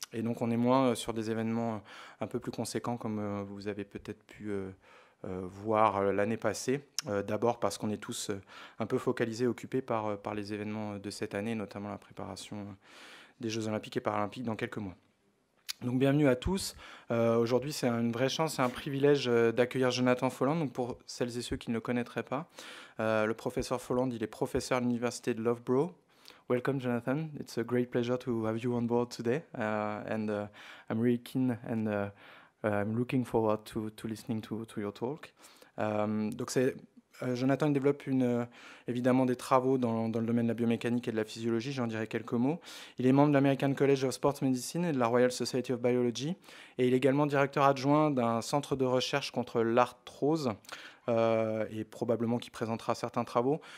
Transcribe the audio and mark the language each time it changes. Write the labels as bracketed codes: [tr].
[fr] Et donc on est moins sur des événements un peu plus conséquents comme vous avez peut-être pu voir l'année passée, d'abord parce qu'on est tous un peu focalisés, occupés par les événements de cette année, notamment la préparation des Jeux Olympiques et Paralympiques dans quelques mois. Donc bienvenue à tous. Aujourd'hui, c'est une vraie chance et un privilège d'accueillir Jonathan Folland. Donc pour celles et ceux qui ne le connaîtraient pas, le professeur Folland, il est professeur à l'université de Loughborough. [en] Welcome, Jonathan. It's a great pleasure to have you on board today. I'm really keen and I'm looking forward to listening to your talk. [fr] Jonathan développe évidemment des travaux dans le domaine de la biomécanique et de la physiologie, j'en dirai quelques mots. Il est membre de l'American College of Sports Medicine et de la Royal Society of Biology. Et il est également directeur adjoint d'un centre de recherche contre l'arthrose et probablement qui présentera certains travaux.